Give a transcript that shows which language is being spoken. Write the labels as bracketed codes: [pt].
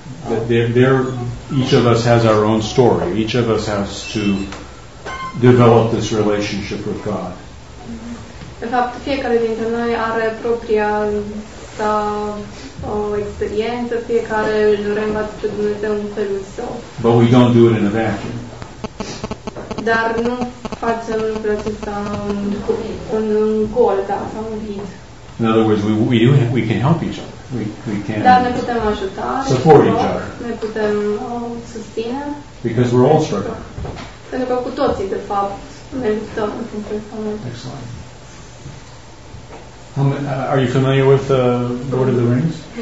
[en] each of us has our own story. Each of us has to develop this relationship with God. [ro] De fapt, fiecare dintre noi are propria sa o experiență, fiecare își reînvață pe Dumnezeu în felul său. [en] But we don't do it in a vacuum. [ro] Dar nu facem lucrul acesta în gol, da, sau un vid. [en] In other words, we can help each other. We can [ro] dar ne putem ajuta, [en] support each other. [ro] Ne putem susține. [en] Because we're all struggling. [ro] Pentru că cu toții, de fapt, ne luptăm în felul său. [en] Excellent. Are you familiar with the Lord of the Rings?